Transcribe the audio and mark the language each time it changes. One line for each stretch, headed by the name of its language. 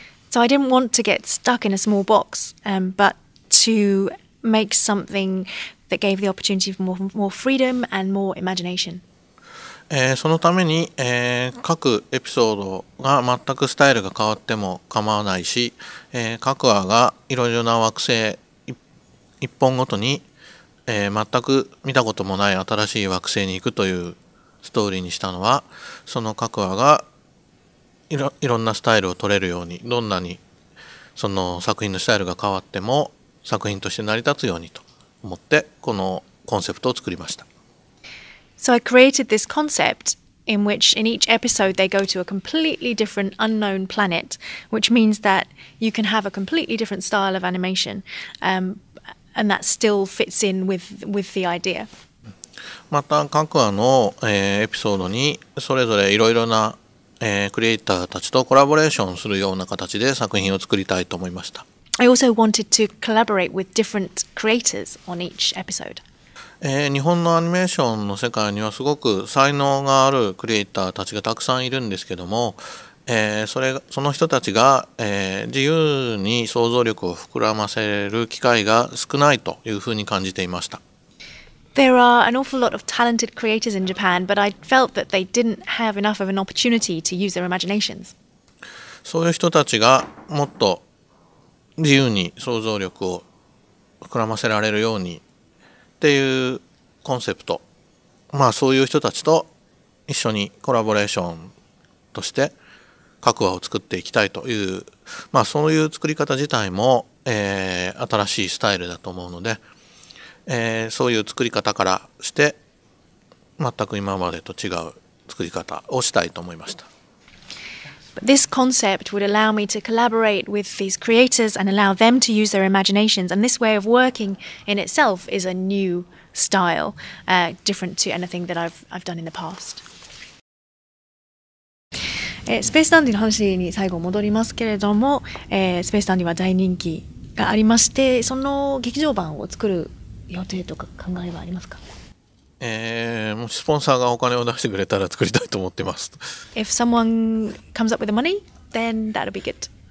English: So I didn't want to get stuck in a small box, but to make something that gave the opportunity for more freedom and more imagination.
Japanese: そのために、各エピソードが全くスタイルが変わっても構わないし、各話がいろいろな惑星一本ごとに、全く見たこともない新しい惑星に行くというストーリーにしたのは、その各話がいろんなスタイルを取れるように、どんなにその作品のスタイルが変わっても作品として成り立つようにと思って、このコンセプトを作りました。
English: So I created this concept in which in each episode they go to a completely different unknown planet, which means that you can have a completely different style of animation, and that still fits in with the idea.
Japanese: また各話の、エピソードにそれぞれいろいろな、クリエイターたちとコラボレーションするような形で作品を作りたいと思いました。
English: I also wanted to collaborate with different creators on each episode.
Japanese: 日本のアニメーションの世界にはすごく才能があるクリエイターたちがたくさんいるんですけども、その人たちが、自由に想像力を膨らませる機会が少ないというふうに感じていました。
English: There are an awful lot of talented creators in Japan, but I felt that they didn't have enough of an opportunity to use their imaginations.
Japanese: そういう人たちがもっと自由に想像力を膨らませられるようにっていうコンセプト、まあそういう人たちと一緒にコラボレーションとして各話を作っていきたいという、まあそういう作り方自体も、新しいスタイルだと思うので、そういう作り方からして全く今までと違う作り方をしたいと思いました。
English: This concept would allow me to collaborate with these creators and allow them to use their imaginations, and this way of working in itself is a new style, different to anything that I've done in the past.
Japanese: スペースダンディの話に最後戻りますけれども、スペースダンディは大人気がありまして、その劇場版を作る予定とか考えはありますか？もしスポンサーがお金を出してくれたら作りたいと思ってます。
English: If someone comes up with the money, then that'll be good.